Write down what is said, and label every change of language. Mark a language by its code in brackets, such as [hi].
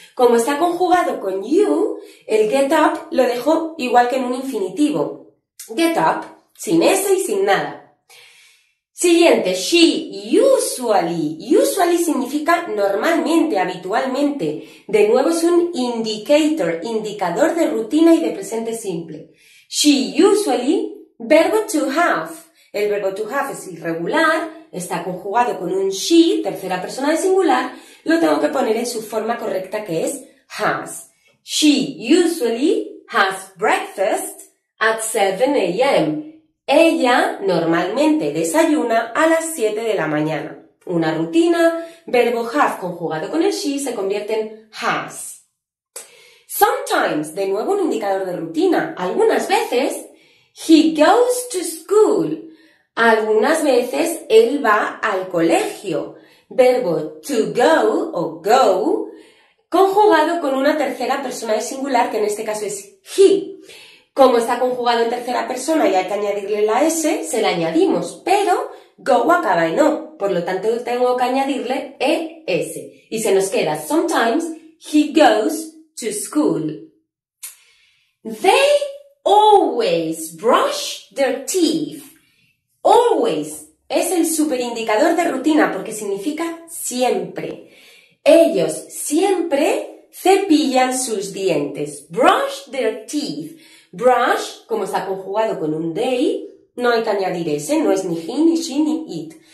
[es] Como está conjugado con you, el get up lo dejo igual que en un infinitivo. Get up, sin S y sin nada. Siguiente, she usually. Usually significa normalmente, habitualmente. De nuevo es un indicator, indicador de rutina y de presente simple. She usually, verbo to have. El verbo to have es irregular, está conjugado con un she, tercera persona de singular, lo tengo que poner en su forma correcta que es has. [en] She usually has breakfast at 7 a.m. [es] Ella normalmente desayuna a las 7 de la mañana. Una rutina, verbo have conjugado con el she se convierte en has. Sometimes, de nuevo un indicador de rutina, algunas veces, [en] he goes to school. [es] Algunas veces él va al colegio. Verbo to go o go, conjugado con una tercera persona de singular, que en este caso es he. Como está conjugado en tercera persona y hay que añadirle la S, se la añadimos, pero go acaba en O. Por lo tanto, tengo que añadirle ES. Y se nos queda, [en] sometimes he goes to school. They always brush their teeth. [es] Always es el superindicador de rutina porque significa siempre. Ellos siempre cepillan sus dientes. [en] Brush their teeth. [es] Brush, como está conjugado con un they, no hay que añadir ese, no es ni he, ni she, ni it.